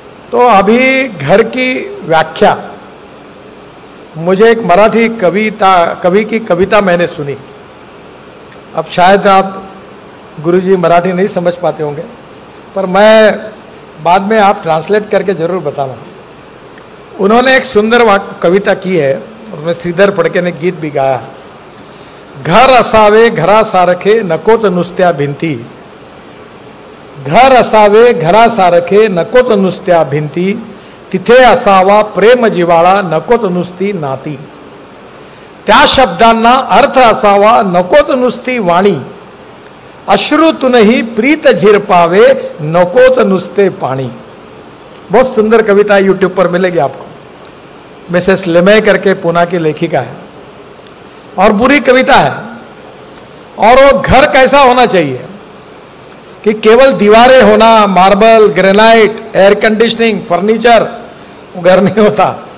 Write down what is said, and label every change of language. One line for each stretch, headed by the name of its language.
Hindi: तो अभी घर की व्याख्या, मुझे एक मराठी कवि की कविता मैंने सुनी, अब शायद आप गुरुजी मराठी नहीं समझ पाते होंगे, पर मैं बाद में आप ट्रांसलेट करके जरूर बताना। उन्होंने एक सुंदर कविता की है, उसमें श्रीधर फड़के ने गीत भी गाया।
Marathi: घर असावे घरा सारखे नको तो नुस्त्या भिंती, घर असावे घरा सारखे नको तो नुस्त्या भिंती, तिथे असावा प्रेम जिवाळा नको तो नुस्ती नाती। त्या शब्दांना अर्थ असावा नको तो नुस्ती वाणी, अश्रुतूनही प्रीत झिरपावे नको तो नुस्ते पाणी।
Hindi: बहुत सुंदर कविता, यूट्यूब पर मिलेगी आपको, मिसेस लेमय करके पुणे की लेखिका है, और बुरी कविता है। और वो घर कैसा होना चाहिए कि केवल दीवारें होना, marble, granite, air conditioning, furniture, घर नहीं होता।